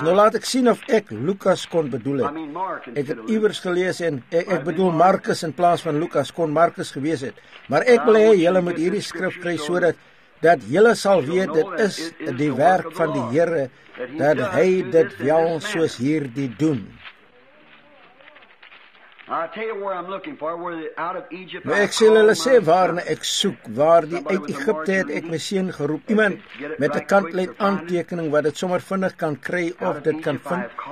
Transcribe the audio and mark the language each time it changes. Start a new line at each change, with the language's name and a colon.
Afrikaans: Nou laat ek sien of ek Lukas kon bedoel het. Ek het iewers gelees en ek bedoel Markus in plaas van Lukas, kon Markus gewees het. Maar ek wil hê julle moet hierdie skrif kry sodat dat julle sal weet dit is die werk van die Here dat hy dit wel soos hierdie doen.
English: I'll tell you where I'm looking for, where the out of Egypt.
Afrikaans: Maar ek sien hulle sê waarna ek soek, waar die uit Egipte het ek my seun geroep. Iemand met 'n kantlyn aantekening wat dit sommer vinnig kan kry of dit kan vind.